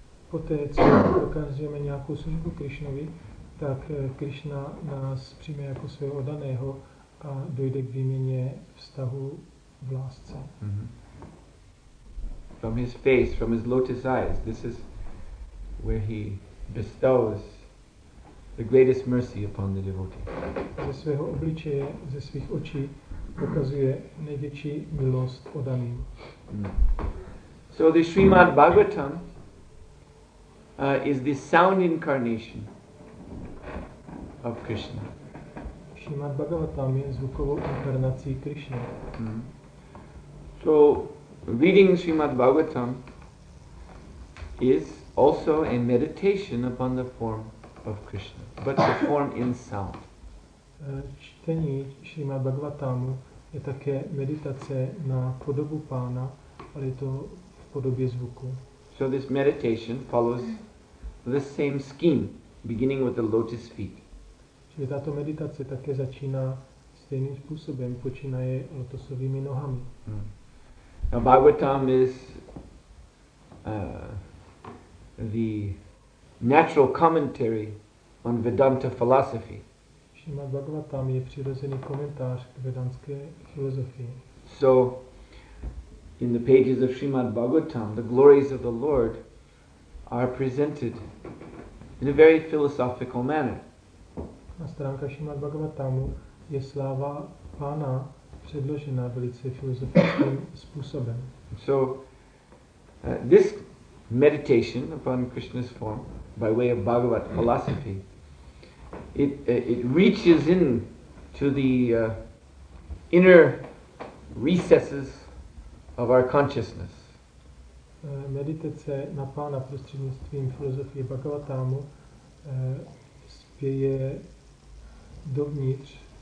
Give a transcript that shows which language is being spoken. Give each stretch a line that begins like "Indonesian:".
Czech: Poté, co dokazujeme nějakou službu Krishnovi, tak Krishna nás přijme jako svého oddaného a dojde k výměně vztahu v lásce.
English: From his face, from his lotus eyes, this is where he bestows the greatest mercy upon the devotee.
Czech: Ze svého obličeje, ze svých očí, ukazuje největší milost oddaným.
English: So the Srimad Bhagavatam is the sound incarnation of Krishna.
Czech: Srimad Bhagavatam je zvukovou inkarnací Krishna.
English: So reading Srimad Bhagavatam is also a meditation upon the form of Krishna, but the form in sound.
Czech: Čtení Srimad Bhagavatamu je také meditace na podobu Pána, ale je to v podobě zvuku.
English: So this meditation follows the same scheme, beginning with the lotus feet.
Czech: Čili tato meditace také začíná stejným způsobem, počínaje lotosovými nohami.
English: Now Bhagavatam is the natural commentary on Vedanta philosophy.
Czech: Srimad Bhagavatam je přirozený komentář k vedantské filozofii.
English: So in the pages of Srimad Bhagavatam, the glories of the Lord are presented in a very philosophical manner.
Czech: Na stránkách Srimad Bhagavatamu je sláva Pána předložena velice filozofickým způsobem.
English: So this meditation upon Krishna's form by way of Bhagavad philosophy, it reaches in to the inner recesses of our consciousness.
Czech: Meditace na Pána prostřednictvím filozofie Bhagavatamu spěje dovnitř.